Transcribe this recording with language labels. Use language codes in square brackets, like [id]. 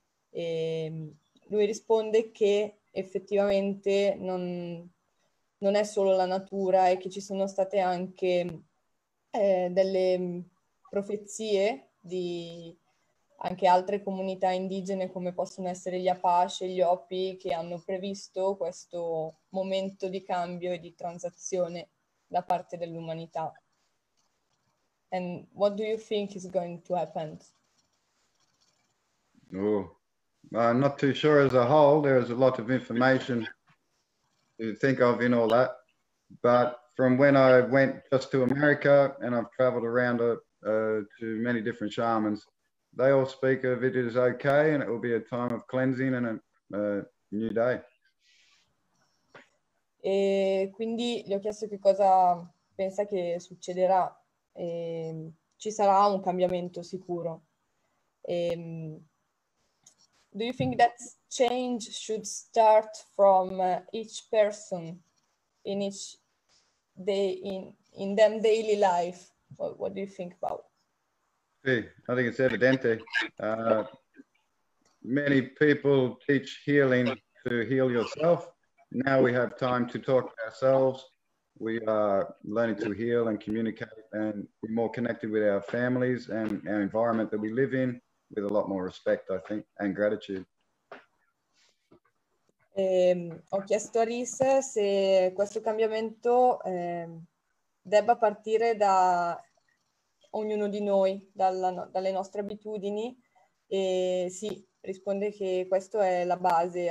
[it] E lui risponde che effettivamente non è solo la natura e che ci sono state anche delle profezie di anche altre comunità indigene come possono essere gli Apache, gli Hopi, che hanno previsto questo momento di cambio e di transizione da parte dell'umanità. [en] And what do you think is going to happen? Oh, I'm not too sure as a whole. There is a lot of information to think of in all that, but from when I went just to America and I've traveled around to many different shamans, they all speak of it is okay and it will be a time of cleansing and a new day. [it] E quindi gli ho chiesto che cosa pensa che succederà. E ci sarà un cambiamento sicuro. [en] E, do you think that change should start from each person in each day in them daily life? What do you think about? Sì, I think it's evidente. Many people teach healing to heal yourself. Now we have time to talk to ourselves. We are learning to heal and communicate and be more connected with our families and our environment that we live in with a lot more respect, I think, and gratitude. [it] Ho chiesto a Rhys se questo cambiamento debba partire da ognuno di noi, dalle nostre abitudini. E sì, risponde che questo è la base.